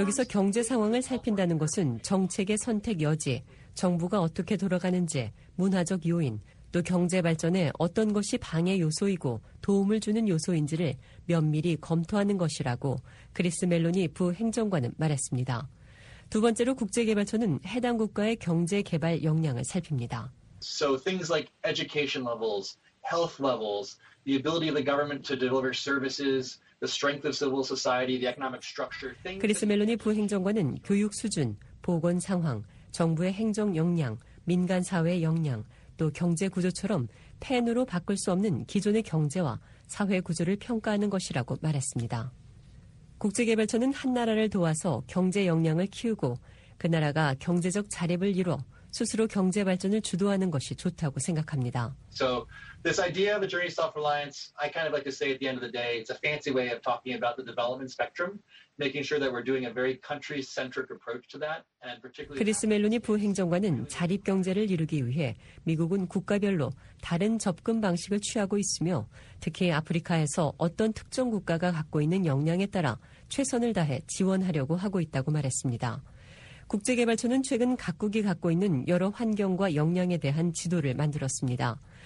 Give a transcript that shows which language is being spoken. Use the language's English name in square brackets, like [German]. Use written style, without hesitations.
[Korean] 여기서 경제 상황을 살핀다는 것은 정책의 선택 여지, 정부가 어떻게 돌아가는지, 문화적 요인, 또 경제 발전에 어떤 것이 방해 요소이고 도움을 주는 요소인지를 면밀히 검토하는 것이라고 크리스 멜로니 부행정관은 말했습니다. 두 번째로 국제개발처는 해당 국가의 경제 개발 역량을 살핍니다. [English] So things like education levels, health levels, the ability of the government to deliver services, the strength of civil society, the economic structure. [Korean] 크리스 멜로니 부행정관은 교육 수준, 보건 상황, 정부의 행정 역량, 민간 사회 역량, 또 경제 구조처럼 펜으로 바꿀 수 없는 기존의 경제와 사회 구조를 평가하는 것이라고 말했습니다. 국제개발처는 한 나라를 도와서 경제 역량을 키우고 그 나라가 경제적 자립을 이뤄 스스로 경제 발전을 주도하는 것이 좋다고 생각합니다. [English] So this idea of a journey of self-reliance, I kind of like to say at the end of the day, it's a fancy way of talking about the development spectrum, making sure that we're doing a very country-centric approach to that. And particularly [Korean] 크리스 멜로니 부행정관은 자립 경제를 이루기 위해 미국은 국가별로 다른 접근 방식을 취하고 있으며 특히 아프리카에서 어떤 특정 국가가 갖고 있는 역량에 따라 최선을 다해 지원하려고 하고 있다고 말했습니다. 국제개발처는 최근 각국이 갖고 있는 여러 환경과 역량에 대한 지도를 만들었습니다.